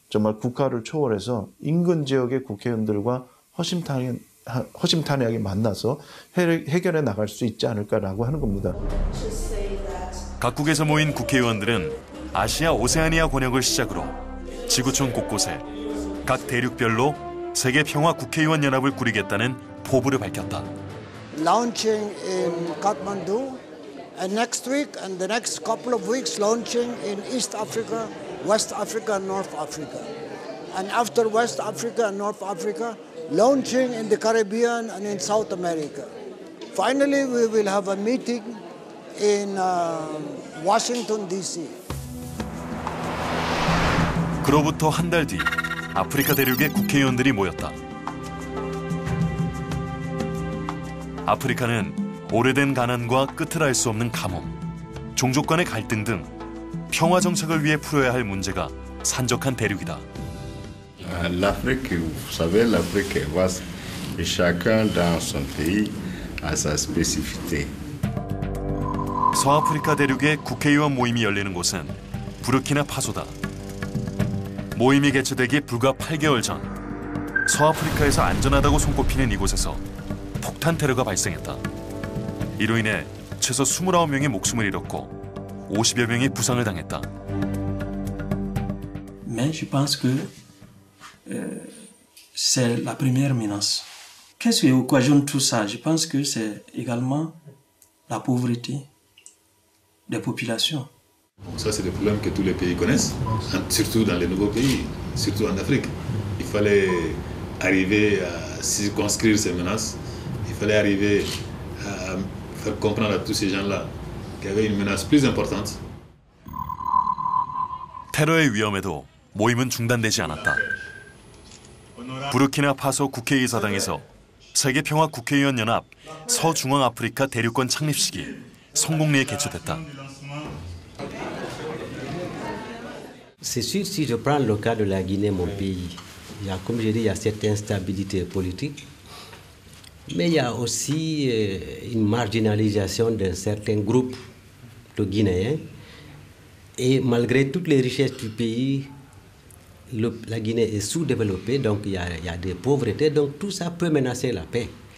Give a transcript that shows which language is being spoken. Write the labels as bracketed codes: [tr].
[ko] 정말 국가를 초월해서 인근 지역의 국회의원들과 허심탄회하게 만나서 해결해 나갈 수 있지 않을까라고 하는 겁니다. 각국에서 모인 국회의원들은 아시아 오세아니아 권역을 시작으로 지구촌 곳곳에 각 대륙별로 세계 평화 국회의원 연합을 꾸리겠다는 포부를 밝혔다. [en] Launching in Kathmandu and next week and the next couple of weeks launching in East Africa, West Africa, North Africa. And after West Africa and North Africa, launching in the Caribbean and in South America. Finally, we will have a meeting in Washington DC. [ko] 그로부터 한 달 뒤 아프리카 대륙의 국회의원들이 모였다. 아프리카는 오래된 가난과 끝을 알 수 없는 가뭄, 종족 간의 갈등 등 평화 정착을 위해 풀어야 할 문제가 산적한 대륙이다. [fr] L'Afrique, vous savez, l'Afrique est vaste et chacun dans son pays a sa spécificité. [ko] 서아프리카 대륙의 국회의원 모임이 열리는 곳은 부르키나 파소다. 모임이 개최되기 불과 8개월 전 서아프리카에서 안전하다고 손꼽히는 이곳에서 폭탄 테러가 발생했다. 이로 인해 최소 29명이 목숨을 잃었고 50여 명이 부상을 당했다. [fr] Mais je pense que c'est la première menace. Qu'est-ce qui occasionne tout ça? Je pense que c'est également la pauvreté des populations. Ça, c'est le problème que tous les pays connaissent, surtout dans les nouveaux pays, surtout en Afrique. Il fallait arriver à circonscrire ces menaces. Il fallait arriver à faire comprendre à tous ces gens-là qu'il y avait une menace plus importante. [ko] 테러의 위험에도 모임은 중단되지 않았다. 부르키나 파소 국회의사당에서 세계평화 국회의원 연합 서중앙아프리카 대륙권 창립식이 성공리에 개최됐다. [fr] C'est sûr, si je prends le cas de la Guinée, mon pays, il y a, comme j'ai dit, il y a cette instabilité politique, mais il y a aussi une marginalisation d'un certain groupe de Guinéens. Et malgré toutes les richesses du pays, la Guinée est sous-développée, donc il y a des pauvretés, donc tout ça peut menacer la paix.